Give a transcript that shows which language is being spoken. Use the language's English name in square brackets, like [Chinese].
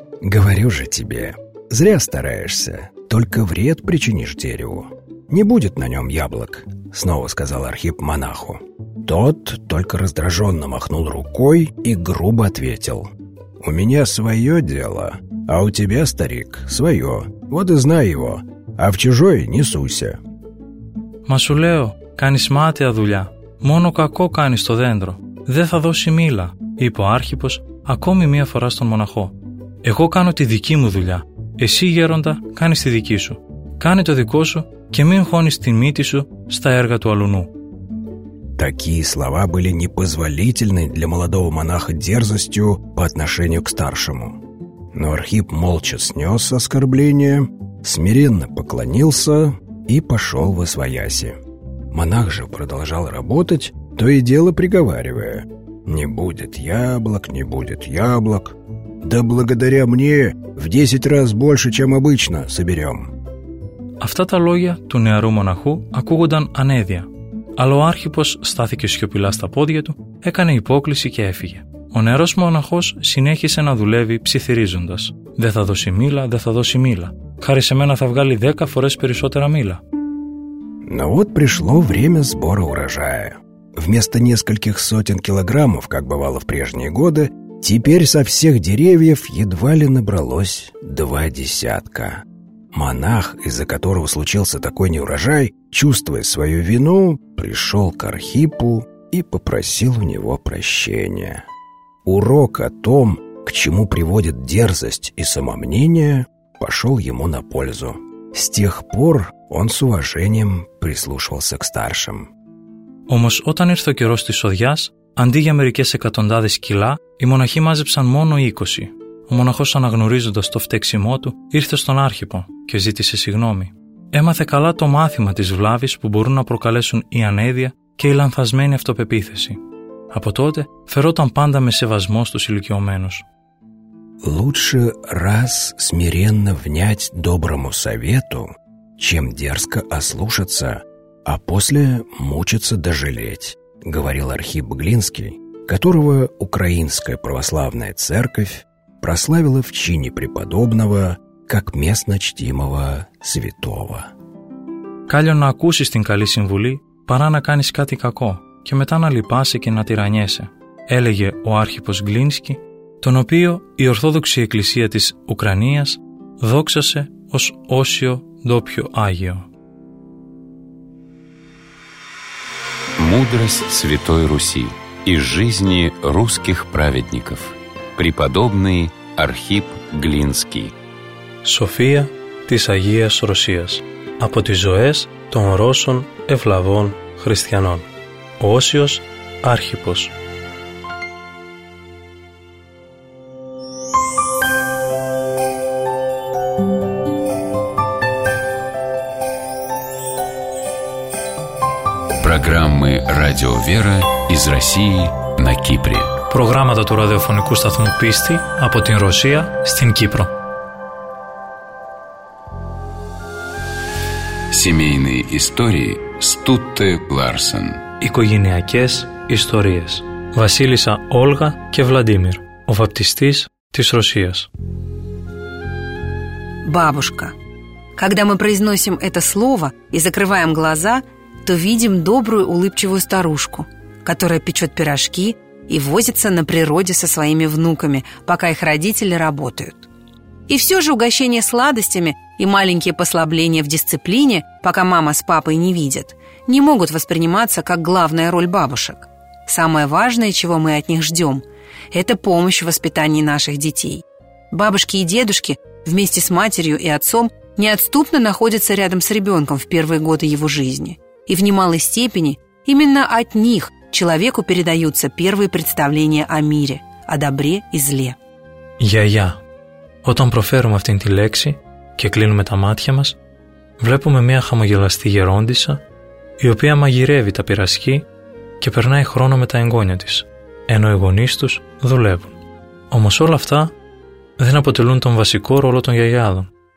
[Russian] «Говорю же тебе, зря стараешься, только вред причинишь дереву. Не будет на нем яблок», — снова сказал Архип монаху. Тот только раздраженно махнул рукой и грубо ответил. «У меня свое дело, а у тебя, старик, свое, вот и знай его». «А в чужой не суйся». [Greek] «Μα σου λέω, κάνεις μάταια δουλειά. Μόνο κακό κάνεις το δέντρο. Δεν θα δώσει μήλα», είπε ο Άρχιπος ακόμη μία φορά στον μοναχό. «Εγώ κάνω τη δική μου δουλειά. Εσύ, γέροντα, κάνεις τη δική σου. Κάνε το δικό σου και μην χώνεις τη μύτη σου στα έργα του αλουνού». [Russian] Такие слова были непозволительны для молодого монаха дерзостью по отношению к старшему. Но Архип молча снес оскорбление, смиренно поклонился и пошел во свояси. Монах же продолжал работать, то и дело приговаривая. «Не будет яблок, не будет яблок. Да благодаря мне в 10 раз больше, чем обычно, соберем». [Greek] Αυτά τα λόγια του νεαρού μοναχού ακούγονταν ανέδεια. Αλλά ο Άρχιπος στάθηκε σιωπηλά στα πόδια του, έκανε υπόκληση και έφυγε. Ο νεαρός μοναχός συνέχισε να δουλεύει ψιθυρίζοντας. «Δεν θα δώσει μήλα, δεν θα δώσει μήλα. Χάρη σε μένα θα βγάλει 10 φορές περισσότερα μήλα». [Russian] Но вот пришло время сбора урожая. Вместо нескольких сотен килограммов, как бывало в прежние годы, теперь со всех деревьев едва ли набралось 20. Монах, из-за которого случился такой неурожай, чувствуя свою вину, пришел к Архипу и попросил у него прощения. Урок о том, к чему приводит дерзость и самомнение, пошел ему на пользу. С тех пор он с уважением прислушивался к старшим. [Greek] Όμως όταν ήρθε ο καιρός της σοδειάς, αντί για μερικές εκατοντάδες κιλά, οι μοναχοί μάζεψαν μόνο 20. Ο μοναχός, αναγνωρίζοντας το φταίξιμό του, ήρθε στον Άρχιπο και ζήτησε συγγνώμη. Έμαθε καλά το μάθημα της βλάβης που μπορούν να προκαλέσουν η ανέδεια και η λανθασμένη αυτοπεποίθηση. Από τότε φερόταν πάντα με σεβασμό στους ηλικιωμένους. [Russian] «Лучше раз смиренно внять доброму совету, чем дерзко ослушаться, а после мучиться дожалеть», — говорил Архип Глинский, которого Украинская Православная Церковь прославила в чине преподобного как местночтимого святого. [Greek] Κάλλιο να ακούσεις την καλή συμβουλή παρά να κάνεις κάτι κακό και μετά να λυπάσαι και να τυραννιέσαι», έλεγε ο άρχιπος Γκλίνσκι, τον οποίο η Ορθόδοξη Εκκλησία της Ουκρανίας δόξασε ως όσιο ντόπιο Άγιο. [Russian] Мудрость Святой Руси из жизни русских праведников. Преподобный Архип Глинский. [Greek] София της Αγίας Ρωσίας. Από τις ζωές των Ρώσων Ευλαβών Χριστιανών. Ο Όσιος Άρχιπος. [Russian] Программы «Радио Вера» из России на Кипре. [Greek] Программа του ραδιοφωνικού σταθμού «Πίστη» από την Ρωσία στην Κύπρο. Семейные истории Стутте Ларсен. Οικογενειακές ιστορίες. Βασίλισσα Όλγα και Βλαντίμιρ, ο βαπτιστής της Ρωσίας. [Russian] Бабушка. Когда мы произносим это слово и закрываем глаза, то видим добрую улыбчивую старушку, которая печет пирожки и возится на природе со своими внуками, пока их родители работают. И все же угощение сладостями и маленькие послабления в дисциплине, пока мама с папой не видят, не могут восприниматься как главная роль бабушек. Самое важное, чего мы от них ждем, это помощь в воспитании наших детей. Бабушки и дедушки вместе с матерью и отцом неотступно находятся рядом с ребенком в первые годы его жизни. И в немалой степени именно от них человеку передаются первые представления о мире, о добре и зле. [Greek] Γιαγιά. Όταν προφέρουμε αυτήν τη λέξη και κλείνουμε τα μάτια μας, βλέπουμε μια χαμογελαστή γερόντισσα, η οποία μαγειρεύει τα πυρασκή και περνάει χρόνο με τα εγγόνια της, ενώ οι γονείς τους δουλεύουν. Όμως όλα αυτά δεν αποτελούν τον βασικό ρόλο των γιαγιάδων.